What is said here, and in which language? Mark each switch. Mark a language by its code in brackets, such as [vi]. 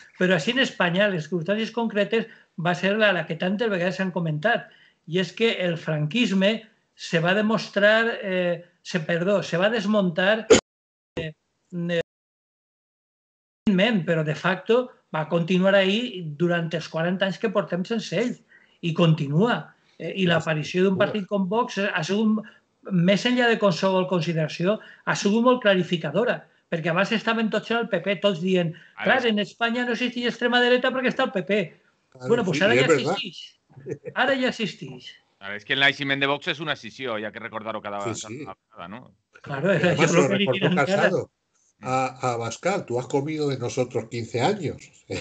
[es] Pero así en España, las circunstancias concretas va a ser la que tantas veces han comentado. Y es que el franquisme se va a demostrar, se va a desmontar, pero de facto va a continuar ahí durante los 40 años que portemos en ell. Y continúa. Y la aparición de un partido con Vox, [ca] més enllà de qualsevol consideració, ha sigut molt clarificadora, perquè abans estaven tots en el PP, tots dient, clar, en Espanya no existeix extrema dreta perquè està el PP. Ara, bueno, doncs sí, ara ja existeix. Ara, és que el naixement de Vox és una escissió, hi ha que recordar-ho cada vegada, sí. No? [es] Claro, [ca] és això el que li diuen encara. [es] A Abascal, tu has comido de nosotros 15 años.